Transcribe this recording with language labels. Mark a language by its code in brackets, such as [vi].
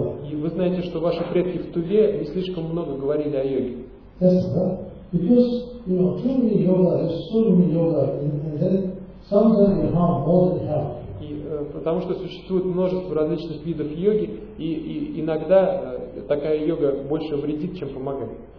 [ru] И вы знаете, что ваши предки в Туве не слишком много говорили о йоге. [en] Because, you know, too many yoga, there's so many yoga, and then sometimes you harm more than health. [ru] Потому что существует множество различных видов йоги, и иногда такая йога больше вредит, чем помогает.